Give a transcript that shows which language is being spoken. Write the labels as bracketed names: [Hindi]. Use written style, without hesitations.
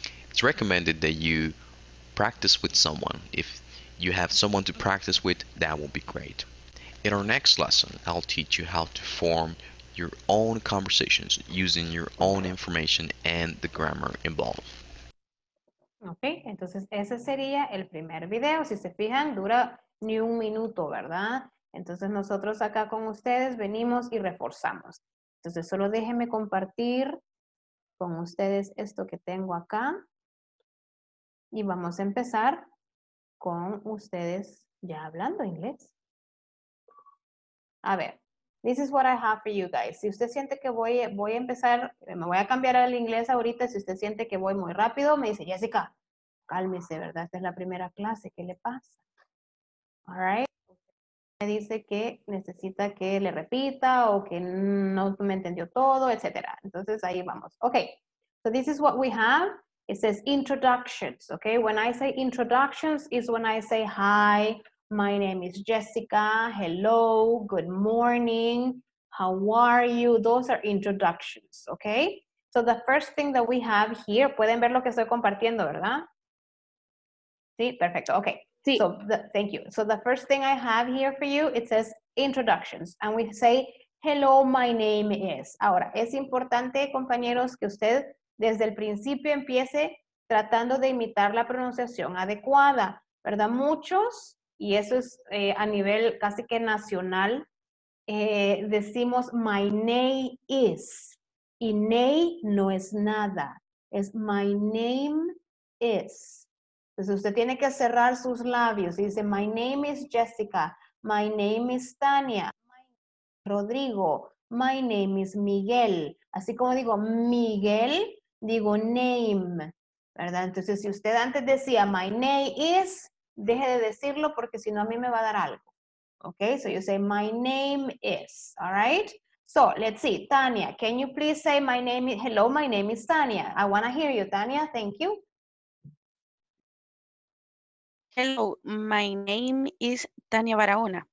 [English] It's recommended that you practice with someone. If you have someone to practice with, that will be great. In our next lesson, I'll teach you how to form your own conversations using your own information and the grammar involved. [Spanish] Ok, entonces ese sería el primer video. Si se fijan, dura ni un minuto, ¿verdad? Entonces nosotros acá con ustedes venimos y reforzamos. Entonces solo déjenme compartir con ustedes esto que tengo acá. Y vamos a empezar con ustedes ya hablando inglés. A ver, [English] this is what I have for you guys. [Spanish] Si usted siente que voy a empezar, me voy a cambiar al inglés ahorita. Si usted siente que voy muy rápido, me dice, Jessica, cálmese, ¿verdad? Esta es la primera clase, ¿qué le pasa? [English] All right. [Spanish] Me dice que necesita que le repita o que no me entendió todo, etc. Entonces, ahí vamos. [English] Ok, so this is what we have. It says introductions, okay? When I say introductions is when I say, hi, my name is Jessica, hello, good morning, how are you? Those are introductions, okay? So the first thing that we have here, [Spanish] pueden ver lo que estoy compartiendo, ¿verdad? Sí, perfecto, [English] okay. [Spanish] Sí. [English] So thank you. So the first thing I have here for you, it says introductions. And we say, hello, my name is. [Spanish] Ahora, es importante, compañeros, que usted desde el principio empiece tratando de imitar la pronunciación adecuada, ¿verdad? Muchos, y eso es a nivel casi que nacional, decimos my name is, y name no es nada, es my name is. Entonces usted tiene que cerrar sus labios y dice [English] my name is Jessica, my name is Tania, my name is Rodrigo, my name is Miguel. [Spanish] Así como digo Miguel, digo name, ¿verdad? Entonces, si usted antes decía my name is, deje de decirlo porque si no a mí me va a dar algo. [English] Ok, so you say my name is, all right? So, let's see, Tania, can you please say my name is, hello, my name is Tania. I want to hear you, Tania, thank you. Hello, my name is Tania Barahona.